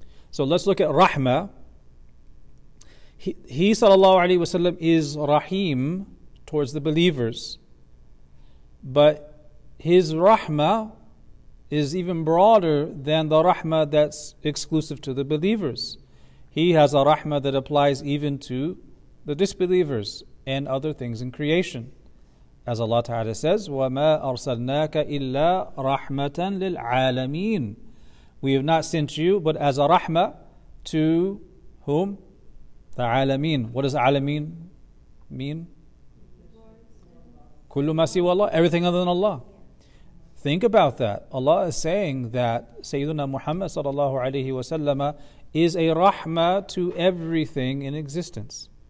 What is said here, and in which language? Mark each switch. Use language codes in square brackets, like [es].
[en] So let's look at rahma. He sallallahu alaihi wasallam is rahim towards the believers, but his rahma is even broader than the rahma that's exclusive to the believers. He has a rahma that applies even to the disbelievers and other things in creation. As Allah Ta'ala says, [ar] وَمَا أَرْسَلْنَاكَ إِلَّا رَحْمَةً لِلْعَالَمِينَ. [en] We have not sent you but as a rahma to whom? The alameen. What does alameen mean? [ar] كُلُّ مَا سِوَى اللَّهِ. [en] Everything other than Allah. Think about that. Allah is saying that Sayyidina Muhammad sallallahu alayhi wa sallam is a rahma to everything in existence.